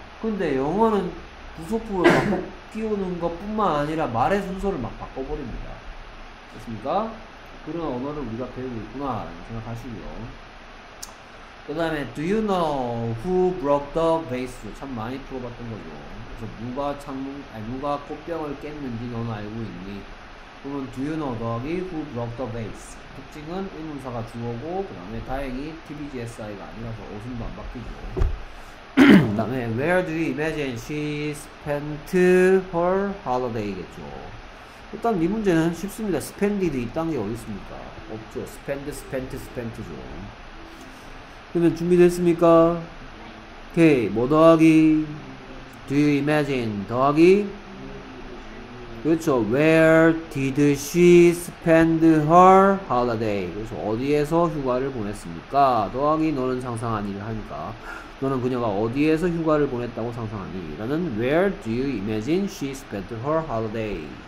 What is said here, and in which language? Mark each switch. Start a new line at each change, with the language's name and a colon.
Korean: 근데 영어는 부속품을 바꿔 끼우는 것 뿐만 아니라 말의 순서를 막 바꿔버립니다. 됐습니까? 그런 언어를 우리가 배우고 있구나 생각하시고요. 그 다음에
English: Do you know who broke the vase?
Korean: 참 많이 풀어봤던 거죠. 그래서 누가 꽃병을 깼는지 너는 알고 있니? 그러면
English: Do you know
Korean: 더하기
English: who broke the vase?
Korean: 특징은 의문사가 주어고 그 다음에 다행히 TBGSI가 아니라서 어순도 안 바뀌죠. 다음에
English: where do you imagine she spent her holiday겠죠.
Korean: 일단 이 문제는 쉽습니다. spend이 있다는 게 어디 있습니까? 없죠. spent죠. 그러면 준비됐습니까?
English: Okay.
Korean: 뭐 더하기?
English: Do you imagine?
Korean: 더하기? 그렇죠.
English: Where did she spend her holiday?
Korean: 그래서 어디에서 휴가를 보냈습니까? 더하기 너는 상상한 일을 하니까 너는 그녀가 어디에서 휴가를 보냈다고 상상하니? 라는
English: Where do you imagine she spent her holiday?